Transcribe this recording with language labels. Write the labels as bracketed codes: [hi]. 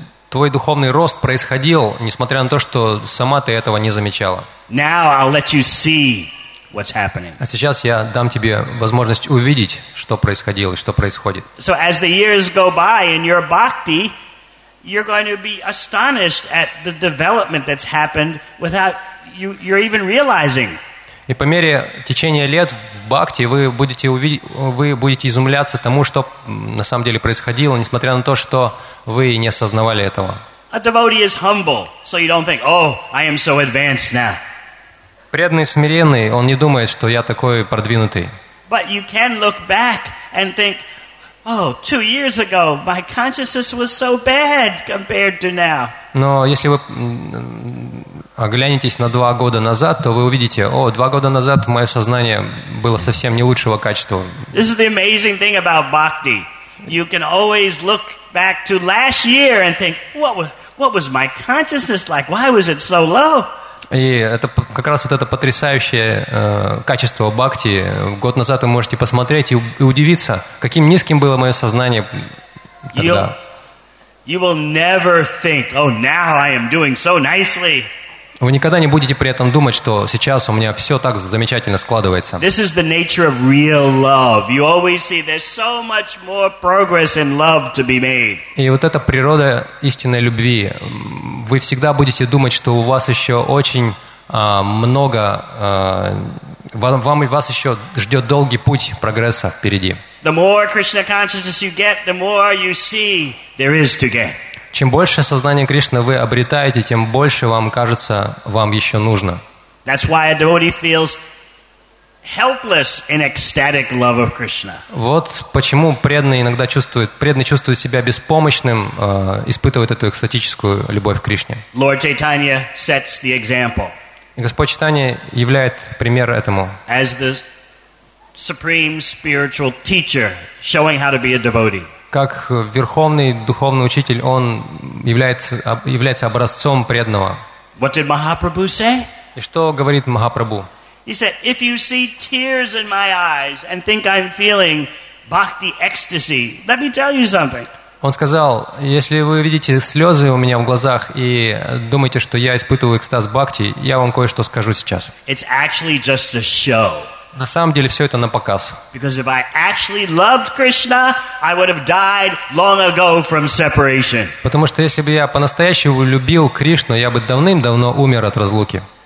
[ru] Твой духовный рост происходил, несмотря на то, что сама ты этого не замечала. [en] Now I'll let you see what's happening. [ru] А сейчас я дам тебе возможность увидеть, что происходило и что происходит. [en] So as the years go by in your bhakti, you're going to be astonished at the development that's happened without you're even realizing. [ru] И по мере течения лет в бхакти вы будете изумляться тому, что на самом деле происходило, несмотря на то, что вы не осознавали этого. [en] A devotee is humble, so you don't think, oh, I am so advanced now. [ru] Преданный смиренный, он не думает, что я такой продвинутый. [en] But you can look back and think, oh, 2 years ago, my consciousness was so bad compared to now. [ru] Но если вы оглянетесь на 2 года назад, то вы увидите, о, 2 года назад мое сознание было совсем не лучшего качества. [en] This is the amazing thing about bhakti. You can always look back to last year and think, what was my consciousness like? Why was it so low? [ru] И это как раз вот это потрясающее качество бхакти. Год назад вы можете посмотреть и удивиться, каким низким было мое сознание тогда. [en] You will never think, oh, now I am doing so nicely. [ru] Вы никогда не будете при этом думать, что сейчас у меня все так замечательно складывается. [en] This is the nature of real love. You always see there's so much more progress in love to be made. [ru] И вот эта природа истинной любви. Вы всегда будете думать, что у вас еще очень много, вас еще ждет долгий путь прогресса впереди. [en] The more Krishna consciousness you get, the more you see there is to get. [ru] Чем больше сознания Кришны вы обретаете, тем больше вам кажется, вам еще нужно. [en] That's why a devotee feels helpless in ecstatic love of Krishna. [ru] Вот почему преданный чувствует себя беспомощным, испытывает эту экстатическую любовь к Кришне. [en] Lord Chaitanya sets the example. [ru] Господь Чайтанья являет пример этому. [en] As the supreme spiritual teacher, showing how to be a devotee. [ru] Как верховный духовный учитель, он является образцом преданного. [en] What did Mahaprabhu say? [ru] И что говорит Махапрабху? [en] He said, if you see tears in my eyes and think I'm feeling bhakti ecstasy, let me tell you something. [ru] Он сказал, если вы видите слезы у меня в глазах и думаете, что я испытываю экстаз бхакти, я вам кое-что скажу сейчас. [en] It's actually just a show. [ru] На самом деле все это на показ. [en] Because if I actually loved Krishna, I would have died long ago from separation. [ru] Потому что если бы я по-настоящему любил Кришну, я бы давным-давно умер от разлуки.